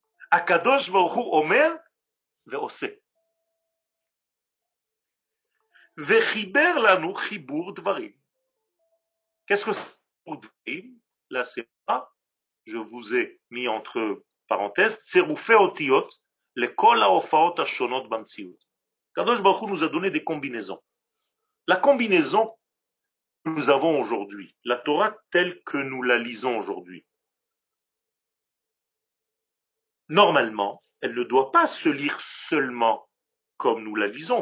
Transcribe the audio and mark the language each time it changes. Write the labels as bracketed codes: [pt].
[he] Akadosh Baruch Hu Omer, וחיבר לנו חיבור דברים. [fr] Qu'est-ce que c'est דברים? Là, c'est pas. Je vous ai mis entre parenthèses. [he] צירופי אותיות לכל ההופעות השונות במציאות. [fr] Kadosh Baruch Hu nous a donné des combinaisons. La combinaison que nous avons aujourd'hui, la Torah telle que nous la lisons aujourd'hui, normalement, elle ne doit pas se lire seulement comme nous la lisons.